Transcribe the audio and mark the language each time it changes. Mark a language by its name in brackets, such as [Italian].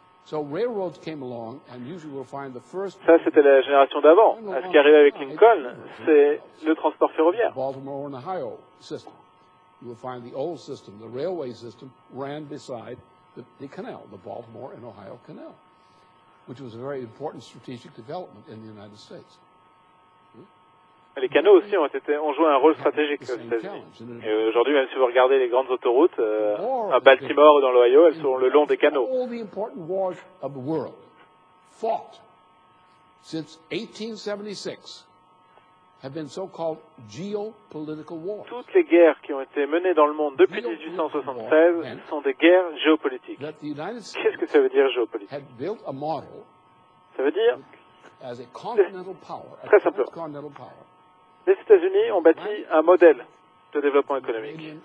[French] Ça, c'était la génération d'avant. Ce qui est arrivé avec Lincoln, c'est le transport ferroviaire. [English] Baltimore and Ohio system. You will find the old system, the railway system, ran beside the canal, the Baltimore and Ohio Canal. Which was a very important strategic development in the United States. [French] Les canaux aussi ont joué un rôle stratégique aux États-Unis. Et aujourd'hui, même si vous regardez les grandes autoroutes, à Baltimore ou dans l'Ohio, elles sont le long des canaux. [English] All the important wars of the world fought since 1876 have been so-called geopolitical wars. [French] Toutes les guerres qui ont été menées dans le monde depuis 1876 sont des guerres géopolitiques. Qu'est-ce que ça veut dire géopolitique? Ça veut dire, très simplement, les États-Unis ont bâti un modèle de développement économique.